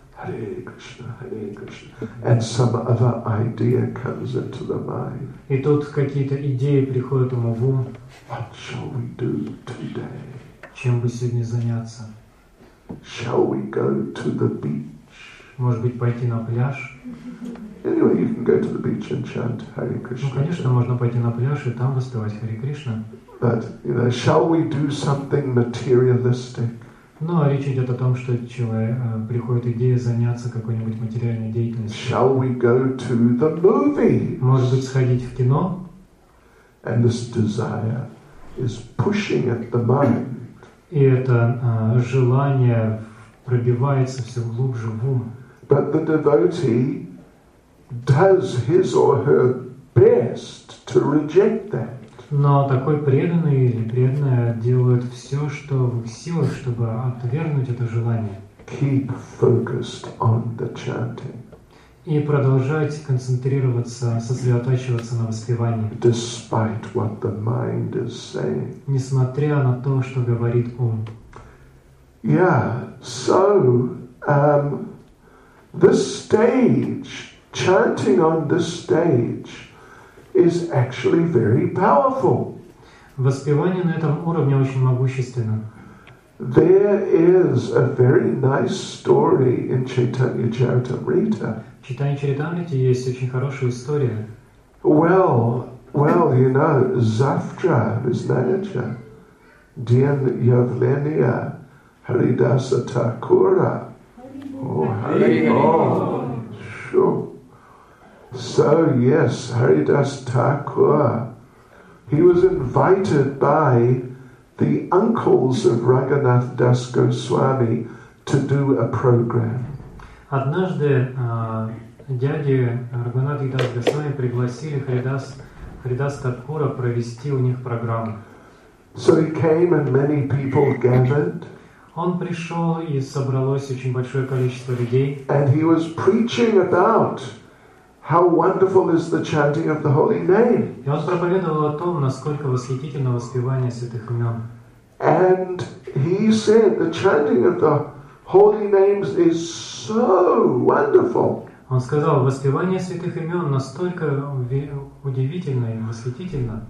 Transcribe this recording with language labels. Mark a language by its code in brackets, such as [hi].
[sa] Hare Krishna, Hare Krishna. [en] And some other idea comes into the mind. [ru] И тут какие-то идеи приходят ему в ум. [en] What shall we do today? [ru] Чем бы сегодня заняться? [en] Shall we go to the beach? [ru] Может быть, пойти на пляж? [en] Anyway, you can go to the beach and chant Hare Krishna. [ru] Ну, конечно, можно пойти на пляж и там воспевать Hare Krishna. [en] But, you know, shall we do something materialistic? [ru] Но речь идет о том, что человек приходит идея заняться какой-нибудь материальной деятельностью. [en] Shall we go to the movies? [ru] Может быть, сходить в кино? [en] And this desire is pushing at the mind. [ru] И это желание пробивается все глубже в ум. [en] But the devotee does his or her best to reject that. [ru] Но такой преданный или преданная делают все, что в их силах, чтобы отвергнуть это желание. [en] Keep focused on the chanting. [ru] И продолжать концентрироваться, сосредотачиваться на воспевании. [en] Despite what the mind is saying. [ru] Несмотря на то, что говорит ум. [en] Yeah, so this stage, chanting on this stage, is actually very powerful. [ru] Воспевание на этом уровне очень могущественно. [en] There is a very nice story in Chaitanya Charitamrita. [ru] В Чайтанья Чаритамрите есть очень хорошая история. Well, you know, Zavtra, his manager, Dien Yavlenia, Haridasa Thakura. [en] Oh, Haridasa. Sure. So yes, Haridas Thakur, he was invited by the uncles of Raghunath Das Goswami to do a program. [ru] Однажды дяди Рагунатх Дас Госвами пригласили Харидас Такура провести у них программу. [en] So he came and many people gathered. [ru] Он пришел и собралось очень большое количество людей. [en] And he was preaching about how wonderful is the chanting of the holy name. [ru] И он проповедовал о том, насколько восхитительно воспевание святых имен. [en] And he said the chanting of the holy names is so wonderful. [ru] Он сказал, воспевание святых имен настолько удивительно и восхитительно.